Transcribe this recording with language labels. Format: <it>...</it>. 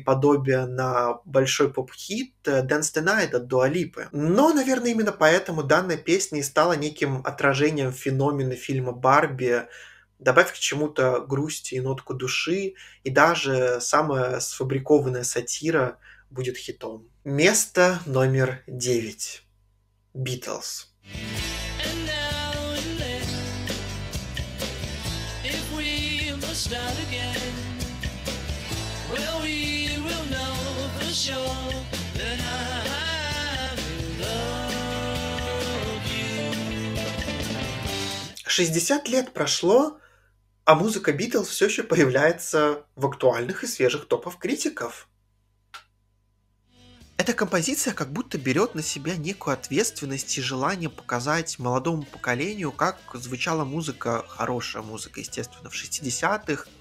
<ru>подобие на большой поп-хит Dance the Night от Dua Lipa. Но, наверное, именно поэтому данная песня и стала неким отражением феномена фильма «Барби». Добавь к чему-то грусти и нотку души, и даже самая сфабрикованная сатира будет хитом. Место номер 9. Beatles.</ru> <en>And now and then, if we must start again, well, we will know for sure that I love you.</en> <ru>60 лет прошло, а музыка Beatles все еще появляется в актуальных и свежих топах критиков. Эта композиция как будто берет на себя некую ответственность и желание показать молодому поколению, как звучала музыка, хорошая музыка, естественно, в 60-х.</ru>